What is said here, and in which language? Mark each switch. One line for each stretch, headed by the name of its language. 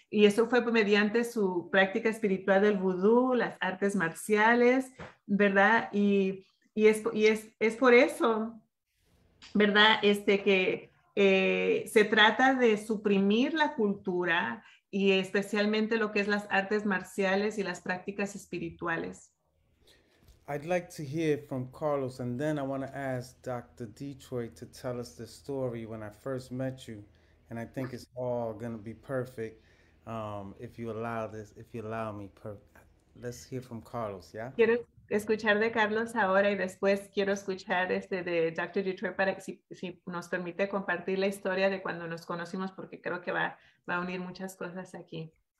Spanish: Y eso fue mediante su práctica espiritual del vudú, las artes marciales, ¿verdad? Y es por eso, ¿verdad? Se trata de suprimir la cultura y especialmente lo que es las artes marciales y las prácticas espirituales.
English: I'd like to hear from Carlos, and then I want to ask Dr. Detroit to tell us the story when I first met you, and I think it's all going to be perfect. If you allow me, let's hear from Carlos, yeah?
Spanish: Quiero escuchar de Carlos ahora y después quiero escuchar de Dr. Detroit para si nos permite compartir la historia de cuando nos conocimos, porque creo que va a unir muchas cosas aquí.